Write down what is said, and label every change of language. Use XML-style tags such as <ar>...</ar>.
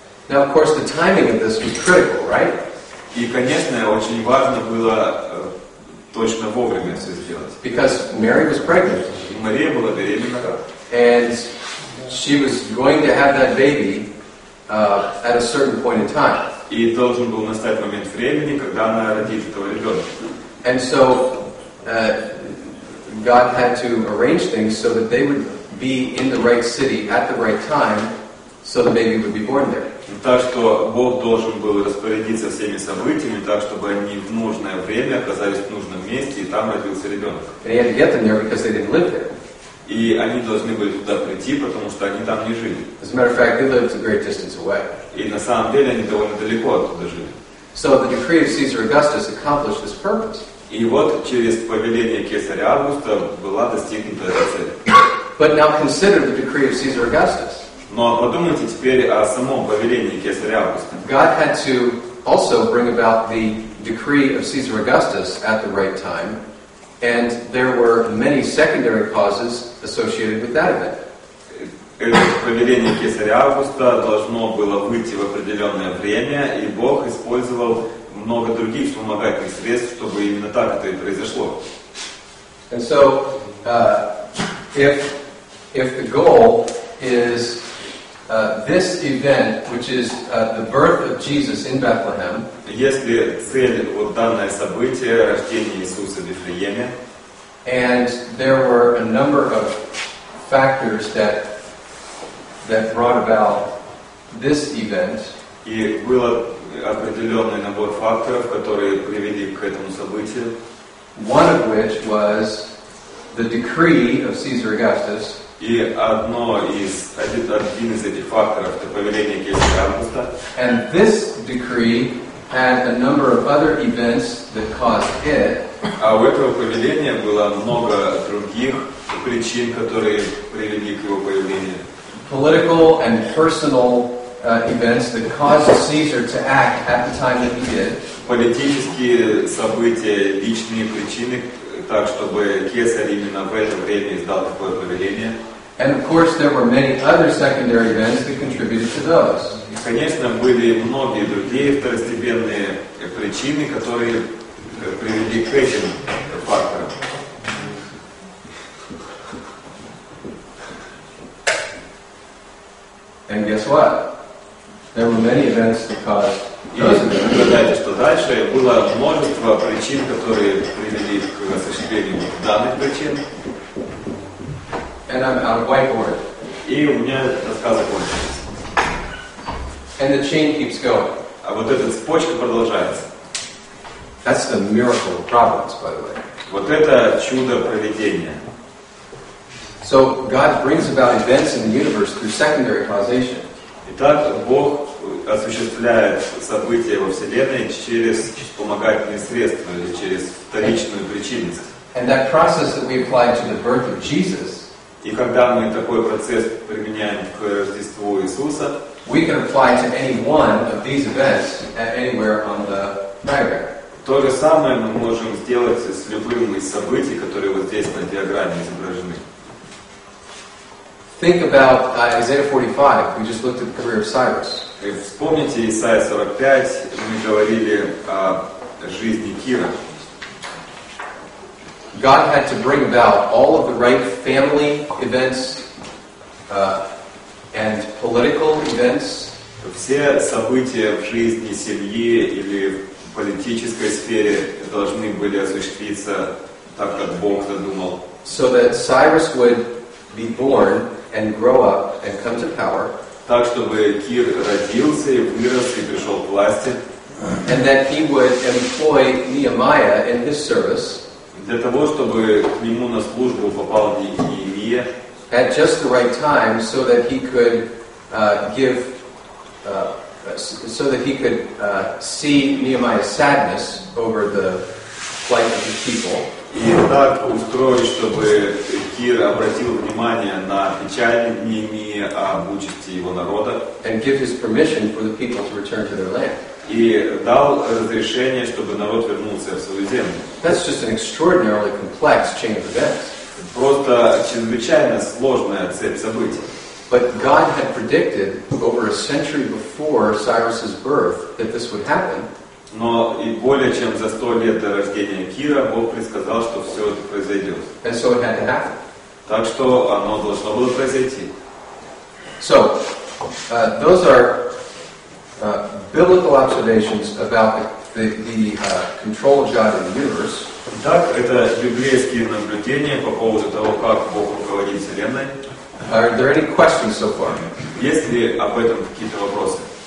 <en>Now, of course, the timing of this was critical, right?</en> <ru>И, конечно, очень важно было точно вовремя все сделать.</ru> <en>Because Mary was pregnant.</en> <ru>И Мария была беременна.</ru> <en>And she was going to have that baby at a certain point in time.</en> <ru>и должен был настать момент времени, когда она родит этого ребенка.</ru> <en>And so God had to arrange things so that they would be in the right city at the right time, so the baby would be born there.</en> <ru>Так что Бог должен был распорядиться всеми событиями так, чтобы они в нужное время оказались в нужном месте, и там родился ребенок.</ru> <en>And he had to get them there because they didn't live there.</en> <ru>И они должны были туда прийти, потому что они там не жили.</ru> <en>As a matter of fact, they lived a great distance away.</en> <ru>И на самом деле они довольно далеко оттуда жили.</ru> <en>So the decree of Caesar Augustus accomplished this purpose.</en> <ru>И вот через повеление кесаря Августа была достигнута эта цель.</ru> <en>But now consider the decree of Caesar Augustus.</en> <ru>Но подумайте теперь о самом повелении кесаря Августа.</ru> <en>God had to also bring about the decree of Caesar Augustus at the right time, and there were many secondary causes associated with that event.</en> <ru>Повеление кесаря Августа должно было выйти в определенное время, и Бог использовал много других вспомогательных средств, чтобы именно так это и произошло.</ru> <en>And so, if the goal is this event, which is the birth of Jesus in Bethlehem,</en> <ru>если цель вот данное событие, рождение Иисуса в Вифлееме,</ru> <en>and there were a number of factors that brought about this event,</en> <ru>и было определенный набор факторов, которые привели к этому событию,</ru> <en>one of which was the decree of Caesar Augustus.</en> <ru>И один из этих факторов — это повеление кесаря Августа.</ru> <en>And this decree had a number of other events that caused it.</en> <ru>А у этого повеления было много других причин, которые привели к его появлению.</ru> <en>Political and personal events that caused Caesar to act at the time that he did.</en> <ru>Политические события, личные причины, так чтобы кесарь именно в это время издал такое повеление.</ru> <en>And of course, there were many other secondary events that contributed to those.</en> <ru>И, конечно, были многие другие второстепенные причины, которые привели к этим факторам.</ru> <en>And guess what? There were many events that caused those events.</en> <ru>И наблюдайте, что дальше было множество причин, которые привели к осуществлению данных причин.</ru> <en>And I'm out of whiteboard.</en> <ru>И у меня рассказы кончились.</ru> <en>And the chain keeps going.</en> <ru>А вот эта цепочка продолжается.</ru> <en>That's the miracle of providence, by the way.</en> <ru>Вот это чудо проведения.</ru> <en>So God brings about events in the universe through secondary causation.</en> <ru>Итак, Бог осуществляет события во Вселенной через вспомогательные средства или через вторичную причинность.</ru> <en>And that process that we apply to the birth of Jesus.</en> <ru>И когда мы такой процесс применяем к Рождеству Иисуса,</ru> <en>we can apply to any one of these events anywhere on the diagram.</en> <ru>То же самое мы можем сделать с любым из событий, которые вот здесь на диаграмме изображены.</ru> <en>Think about Isaiah 45. We just looked at the career of Cyrus.</en> <ru>И вспомните Исаия 45. Мы говорили о жизни Кира.</ru> <en>God had to bring about all of the right family events and political events.</en> <ru>Все события в жизни семьи или в политической сфере должны были осуществиться так, как Бог задумал.</ru> <en>So that Cyrus would be born and grow up and come to power.</en> <ru>Так, чтобы Кир родился и вырос и пришел к власти.</ru> <en>And that he would employ Nehemiah in his service.</en> <ru>Для того, чтобы к нему на службу попал Неемия.</ru> <en>At just the right time, so that he could give, so that he could see Nehemiah's sadness over the plight of the people.</en> <ru>И так устроить, чтобы Кир обратил внимание на печаль Неемии об участи его народа.</ru> <en>And give his permission for the people to return to their land.</en> <ru>И дал разрешение, чтобы народ вернулся в свою землю.</ru> <en>That's just an extraordinarily complex chain of events.</en> <ru>Просто чрезвычайно сложная цепь событий.</ru> <en>But God had predicted over a century before Cyrus's birth that this would happen.</en> <ru>Но и более чем за 100 лет до рождения Кира Бог предсказал, что все это произойдет.</ru> <en>And so it had to happen.</en> <ru>Так что оно должно было произойти.</ru> <en>So, those are biblical observations about the control of God in the universe.</en> <ru>Так, это библейские наблюдения по поводу того, как Бог руководит Вселенной.</ru> <en>Are there any questions so far?</en> <ru>Есть ли об этом какие-то вопросы?</ru>